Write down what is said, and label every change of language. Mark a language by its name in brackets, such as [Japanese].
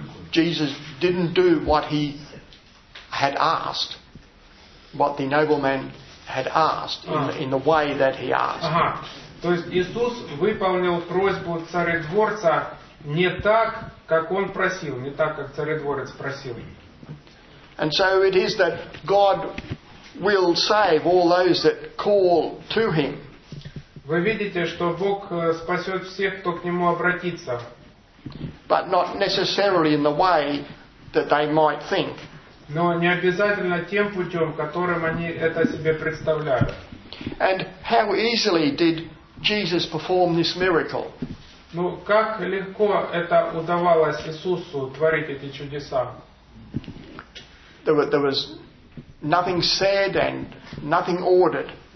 [English] Jesus didn't do what he had asked, what the nobleman had asked in the way that he asked. Ага. [Russian] То есть Иисус выполнил просьбу царедворца не так, как он просил, не так, как царедворец просил. [English] And so it is that God will save all those that call to him. [Russian] Вы видите, что Бог спасет всех, кто к нему обратится. [English] But not necessarily in the way that they might think. [Russian] Но не обязательно тем путем, которым они это себе представляют. [English] And how easily did Jesus perform this miracle? [Russian] Ну, как легко это удавалось Иисусу творить эти чудеса? [English] There was nothing said and nothing ordered.